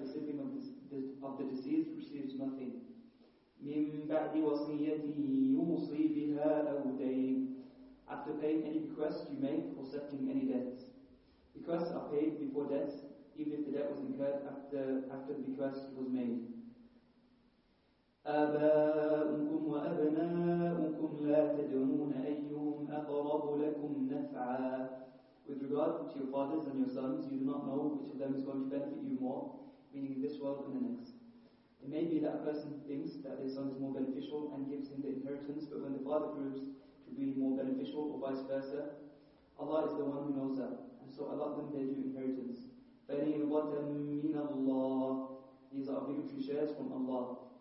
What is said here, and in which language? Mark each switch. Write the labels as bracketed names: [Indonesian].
[English] The sibling of the deceased receives nothing. [Arabic] مِنْ بَعْدِ وَصِيَّةٍ يُوصِي بِهَا أَوْدَيْنِ. [English] After paying any bequests you make or settling any debts. Bequests are paid before debts, even if the debt was incurred after the bequest was made. [Arabic] آباؤكم وأبناؤكم لا تدرون أيهم أقرب لكم نفعا. [English] With regard to your fathers and your sons, you do not know which of them is going to benefit you more, meaning in this world and the next. It may be that a person thinks that his son is more beneficial and gives him the inheritance, but when the father proves to be more beneficial or vice versa, Allah is the one who knows that, and so allot them their due inheritance. [Arabic] فَلِيَ الْوَطَنُ مِنَ اللَّهِ. [English] These are obligatory shares from Allah.